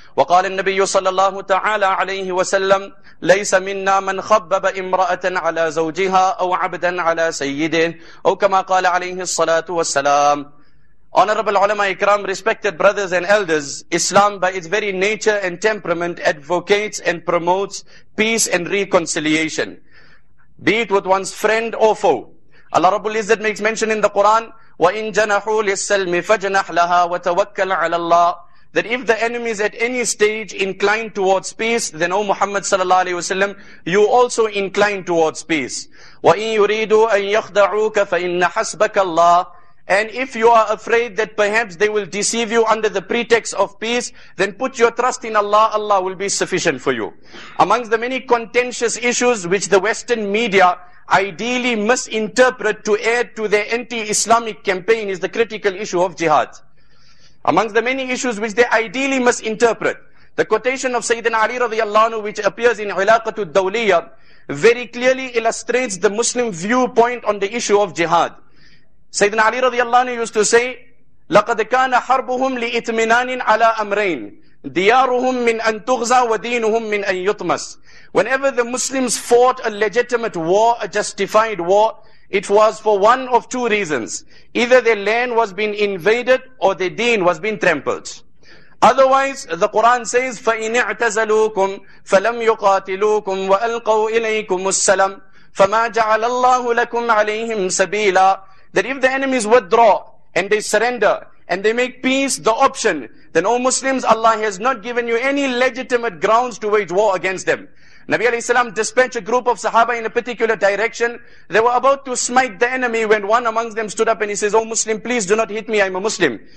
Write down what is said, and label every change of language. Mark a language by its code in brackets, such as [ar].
[ar] وقال النبي صلى الله تعالى عليه وسلم: ليس منا من خبب امرأة على زوجها أو عبدا على سيده، أو كما قال عليه الصلاة والسلام. [en] Honorable ulama ikram, respected brothers and elders, Islam by its very nature and temperament advocates and promotes peace and reconciliation, be it with one's friend or foe. Allah Rabbul Izzat makes mention in the Quran, [ar] وَإِن جَنَحُوا لِلسَّلْمِ فَجْنَحْ لَهَا وَتَوَكَّلْ عَلَى اللَّهِ, [en] that if the enemy is at any stage inclined towards peace, then O Muhammad sallallahu alayhi wasallam, you also incline towards peace. [ar] وَإِن يُرِيدُوا أَن يَخْدَعُوكَ فَإِنَّ حَسْبَكَ اللَّهِ, [en] and if you are afraid that perhaps they will deceive you under the pretext of peace, then put your trust in Allah, Allah will be sufficient for you. Amongst the many contentious issues which the Western media ideally misinterpret to add to their anti-Islamic campaign is the critical issue of jihad. Amongst the many issues which they ideally misinterpret, the quotation of Sayyidina Ali radiallahu anhu, which appears in Ilaqatul Dawliya, very clearly illustrates the Muslim viewpoint on the issue of jihad. Sayyidina Ali radiallahu anhu used to say, [ar] لَقَدْ كَانَ حَرْبُهُمْ لِإِتْمِنَانٍ عَلَىٰ أَمْرَيْنِ دِيَارُهُمْ مِنْ أَنْ تُغْزَى وَدِينُهُمْ مِنْ أَنْ يُطْمَسِ. [en] Whenever the Muslims fought a legitimate war, a justified war, it was for one of two reasons. Either their land was being invaded or their deen was being trampled. Otherwise, the Quran says, [ar] فَإِنِ اعْتَزَلُوكُمْ فَلَمْ يُقَاتِلُوكُمْ وَأَلْقَوْا إِلَيْكُمُ السَّلَمُ فَمَا جَعَلَ اللَّهُ لَكُمْ عَلَيْهِمْ سَبِيلًا. [en] That if the enemies withdraw and they surrender and they make peace the option, then O Muslims, Allah has not given you any legitimate grounds to wage war against them. Nabi alayhi salam dispatched a group of Sahaba in a particular direction. They were about to smite the enemy when one amongst them stood up and he says, O Muslim, please do not hit me, I'm a Muslim.